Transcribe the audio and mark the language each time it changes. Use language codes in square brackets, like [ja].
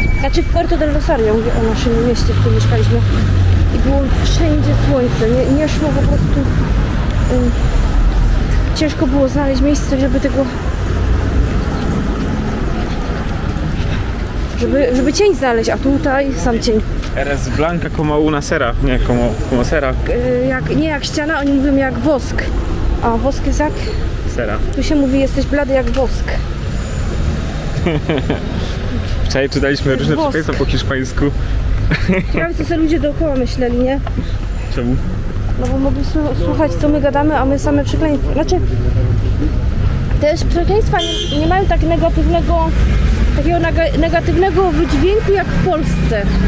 [pl] Znaczy w Puerto del Rosario, mówię o naszym mieście, w którym mieszkaliśmy. I było wszędzie słońce, nie szło po prostu. Ciężko było znaleźć miejsce, żeby tego. Żeby cień znaleźć, a tutaj sam cień. [es] Eres blanca como una cera, nie como sera. [pl] Jak ściana, oni mówią jak wosk. A wosk jest jak? Sera. Tu się mówi, jesteś blady jak wosk. Wczoraj czytaliśmy różne przepisy po hiszpańsku. Chciałam, co sobie ludzie dookoła myśleli, nie? Czemu? No bo mogli słuchać, co my gadamy, a my same przekleństwa. Znaczy, też przekleństwa nie mają tak negatywnego, takiego negatywnego wydźwięku jak w Polsce.